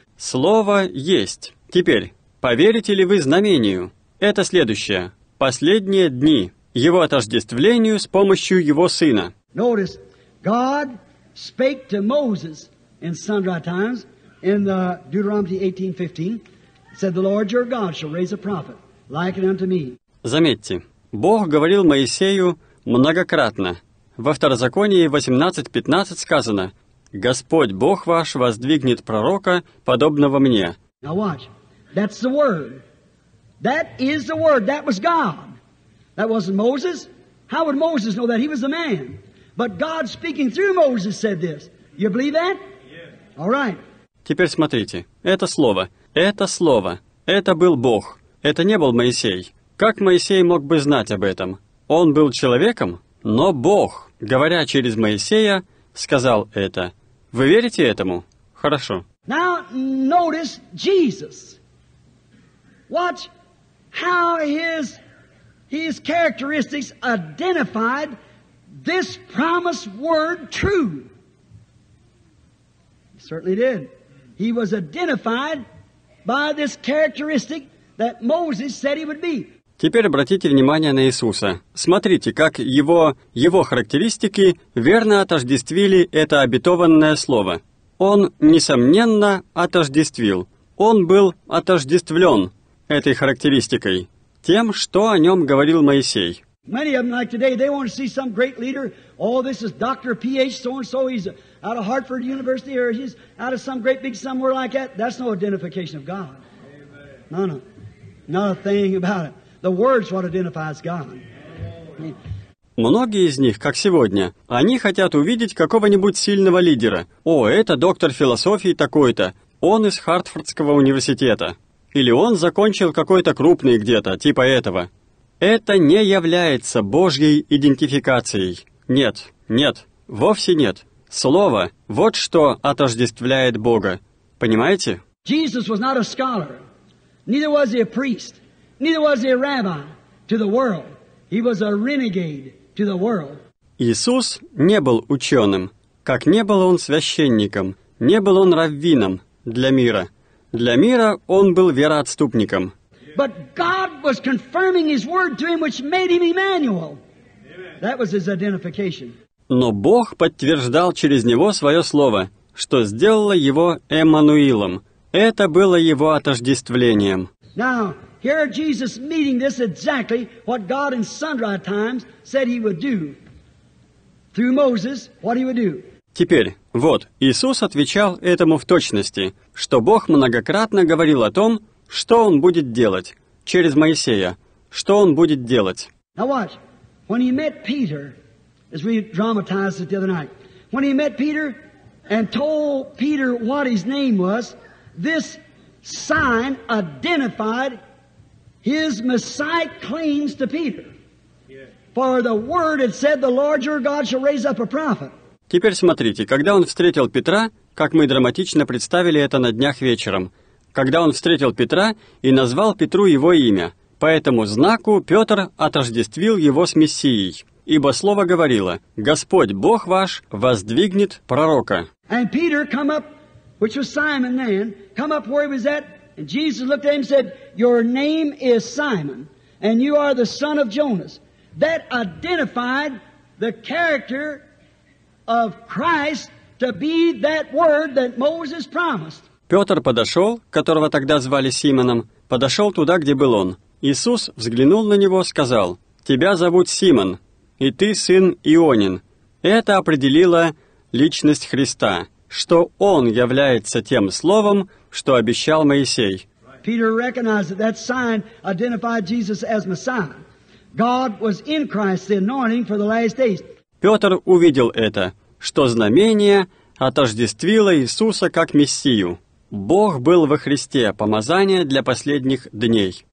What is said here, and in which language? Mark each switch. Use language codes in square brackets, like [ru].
[ru] Слово есть. Теперь, поверите ли вы знамению? Это следующее. Последние дни. Его отождествлению с помощью его сына. [en] Notice, God spake to Moses in sundry times, in the Deuteronomy 18:15, said, the Lord your God shall raise a prophet, like it unto me. [ru] Заметьте, Бог говорил Моисею многократно. Во Второзаконии 18:15 сказано, Господь Бог ваш воздвигнет пророка, подобного мне. [en] Now watch, that's the word. That is the word. That was God. That wasn't Moses. How would Moses know that? He was a man. But God speaking through Moses said this. You believe that? Yes. All right. [ru] Теперь смотрите. Это слово. Это слово. Это был Бог. Это не был Моисей. Как Моисей мог бы знать об этом? Он был человеком, но Бог, говоря через Моисея, сказал это. Вы верите этому? Хорошо. [en] Now notice Jesus. Watch how his characteristics identified this promised word true. He certainly did. He was identified by this characteristic that Moses said he would be. [ru] Теперь обратите внимание на Иисуса. Смотрите, как его характеристики верно отождествили это обетованное слово. Он, несомненно, отождествил. Он был отождествлен этой характеристикой, тем, что о нем говорил Моисей. [en] Many of them, like today, they want to see some great leader. Oh, this is Dr. P.H. so-and-so, he's out of Hartford University, or he's out of some great big somewhere like that. That's no identification of God. Amen. No, no. Not a thing about it. The word's what identifies God. [ru] Многие из них, как сегодня, они хотят увидеть какого-нибудь сильного лидера. О, это доктор философии такой-то. Он из Хартфордского университета. Или он закончил какой-то крупный где-то, типа этого. Это не является Божьей идентификацией. Нет, нет, вовсе нет. Слово – вот что отождествляет Бога. Понимаете? [en] Jesus was not a scholar. Neither was he a priest. Neither was he a rabbi to the world. He was a renegade to the world. [ru] Иисус не был ученым, как не был он священником, не был он раввином для мира. Для мира он был вероотступником. [en] But God was confirming his word to him, which made him Emmanuel. That was his identification. [ru] Но Бог подтверждал через него свое слово, что сделало его Эммануилом. Это было его отождествлением. [en] Now, here Jesus meeting this exactly what God in sundry times said he would do. Through Moses, what he would do. [ru] Теперь, вот, Иисус отвечал этому в точности, что Бог многократно говорил о том, что Он будет делать через Моисея, что Он будет делать. [en] Now watch, when he met Peter, as we dramatized it the other night, when he met Peter and told Peter what his name was, this sign identified His Messiah clings to Peter. For the word had said, the Lord your God shall raise up a prophet. [ru] Теперь смотрите, когда он встретил Петра, как мы драматично представили это на днях вечером, когда он встретил Петра и назвал Петру его имя, по этому знаку Петр отождествил его с Мессией, ибо слово говорило: «Господь Бог ваш воздвигнет пророка». [en] And Peter come up, which was Simon then, come up where he was at, and Jesus looked at him and said, your name is Simon, and you are the son of Jonas. That identified the character of Christ to be that word that Moses promised. [ru] Петр подошел, которого тогда звали Симоном, подошел туда, где был он. Иисус взглянул на него, сказал: «Тебя зовут Симон, и ты сын Ионин». Это определило личность Христа, что Он является тем словом, что обещал Моисей. [en] Peter recognized that sign identified Jesus as Messiah. God was in Christ, the anointing for the last days. [ru] Петр увидел это, что знамение отождествило Иисуса как Мессию. Бог был во Христе, помазание для последних дней.